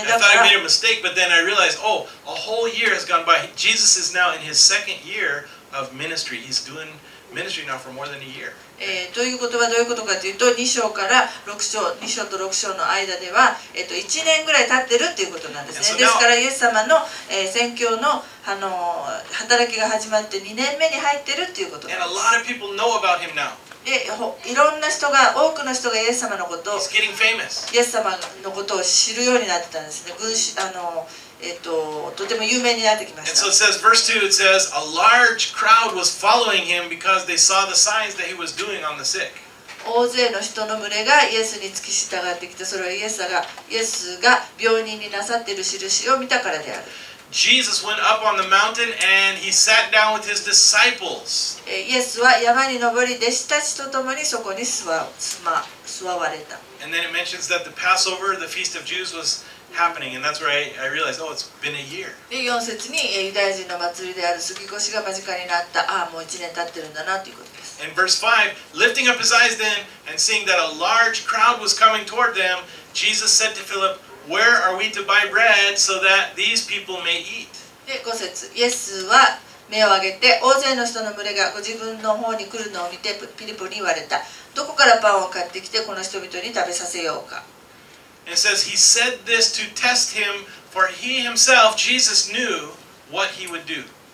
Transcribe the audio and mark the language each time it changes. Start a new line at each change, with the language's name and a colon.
English: I thought I made a mistake, but then I realized, oh, a whole year has gone by. Jesus is now in his second year of ministry. He's doing ministry now for more than a year.
Japanese: ということはどういうことかというと、2章から6章、2章と6章の間では、1年ぐらい経ってるということなんですね。ですから、イエス様の、宣教の、働きが始まって2年目に入ってるということなんです。
English: And a lot of people know about him now.
Japanese: で、いろんな人が、多くの人がイエス様のことを、
English: He's getting famous.
Japanese: イエス様のことを知るようになってたんですね。とても有名になってきました。
English: And so it says, verse 2, it says, a large crowd was following him because they saw the signs that he was doing on the sick.
Japanese: 大勢の人の群れがイエスにつき従ってきて、それはイエスが病人になさっている印を見たからである。
English: Jesus went up on the mountain and he sat down with his disciples.
Japanese: イエスは山に登り、弟子たちと共にそこに座われた。
English: And then it mentions that the Passover, the feast of Jews, was happening, and that's where I realized, oh, it's been a year.
Japanese: で、4節に、ユダヤ人の祭りである過ぎ越しが間近になった。ああ、もう1年経ってるんだなということです。
English: And verse 5, lifting up his eyes then, and seeing that a large crowd was coming toward them, Jesus said to Philip, where are we to buy bread so that these people may eat?
Japanese: で、5節、イエスは目を上げて、大勢の人の群れがご自分の方に来るのを見て、フィリップに言われた。どこからパンを買ってきて、この人々に食べさせようか。
English: And says he said this to test him, for he himself, Jesus, knew what he would do.